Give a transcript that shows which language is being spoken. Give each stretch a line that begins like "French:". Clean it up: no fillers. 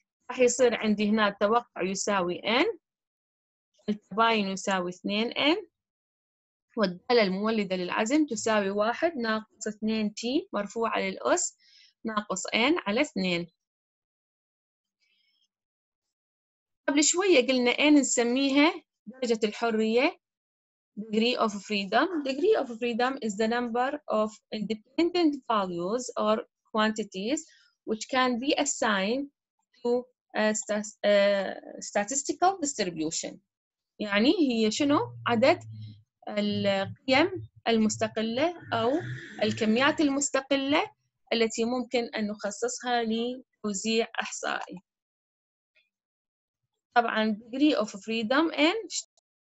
Arabic: راح يصير عندي هنا التوقع يساوي n، التباين يساوي 2n، والدالة المولدة للعزم تساوي 1 ناقص 2t مرفوعة للأس ناقص n على 2. قبل شوية قلنا n نسميها درجة الحرية degree of freedom.
English: degree of freedom is the number of independent values or quantities which can be assigned to a statistical distribution.
Arabic: يعني هي شنو؟ عدد القيم المستقلة أو الكميات المستقلة التي ممكن أن نخصصها لتوزيع أحصائي. طبعاً
English: degree of freedom and